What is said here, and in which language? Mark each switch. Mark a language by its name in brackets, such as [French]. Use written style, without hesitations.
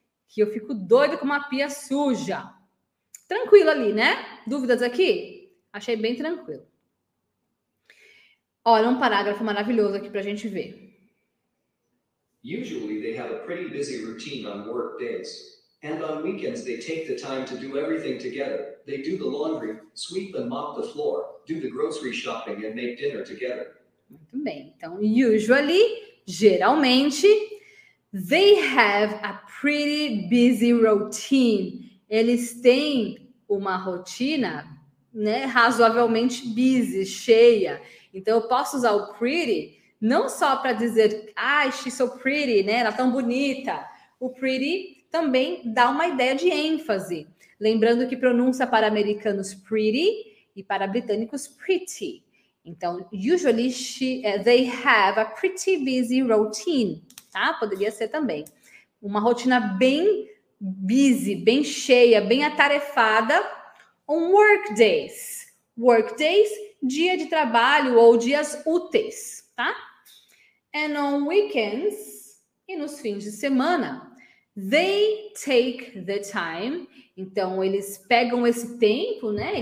[Portuguese] Que eu fico doida com uma pia suja. Tranquilo ali, né? Dúvidas aqui? Achei bem tranquilo. Olha um parágrafo maravilhoso aqui para a gente ver. [English] Usually they have a pretty busy routine on work days. And on weekends they take the time to do everything together. They do the laundry, sweep and mop the floor, do the grocery shopping and make dinner together. [Portuguese] Muito bem. Então, usually, geralmente, [English] they have a pretty busy routine. [Portuguese] Eles têm uma rotina, né, razoavelmente busy, cheia. Então, eu posso usar o pretty não só para dizer, ah, [English] she's so pretty, [Portuguese] né? Ela é tão bonita. O pretty também dá uma ideia de ênfase. Lembrando que pronúncia para americanos pretty e para britânicos pretty. [English] Então, usually they have a pretty busy routine, tá? [Portuguese] Poderia ser também. Uma rotina bem busy, bem cheia, bem atarefada. [English] On work days. Work days, [Portuguese] dia de trabalho ou dias úteis, tá? [English] And on weekends, [Portuguese] e nos fins de semana, [English] they take the time, [Portuguese] então eles pegam esse tempo, né?